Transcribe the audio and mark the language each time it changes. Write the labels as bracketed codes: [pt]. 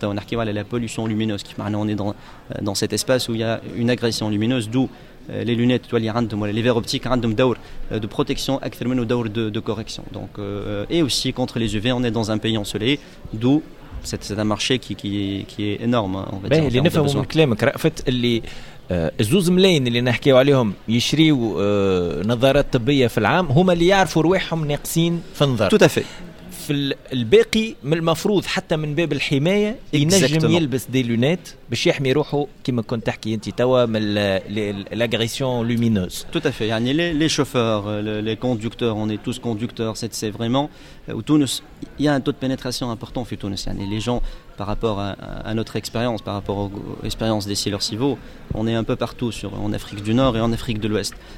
[fr] On a la pollution lumineuse, qui maintenant on est dans cet espace où il y a une agression lumineuse, d'où les lunettes, les verres optiques, de protection actuellement ou de correction. Donc, et aussi contre les UV, on est dans un pays ensoleillé, d'où c'est un marché qui est énorme. On va dire, en termes de besoin. [ar] Rafet, les 2 ملايين اللي نحكيوا عليهم يشريوا نظارات طبية في العام هما اللي يعرفوا رواحهم ناقصين في النظر. في الباقي من المفروض حتى من باب الحماية ينجم يلبس دي لونات باش يحمي روحه كما كنت تحكي انت توا من الاغريسيون لومينوز. [fr] Tout à fait. يعني les chauffeurs, les conducteurs, on est tous conducteurs, c'est vraiment au Tunis, il y a un taux de pénétration important [ar] في تونس. [fr] يعني les gens par rapport à notre expérience, par rapport aux expériences des Sealer Civo, on est un peu partout, en Afrique du Nord et en Afrique de l'Ouest.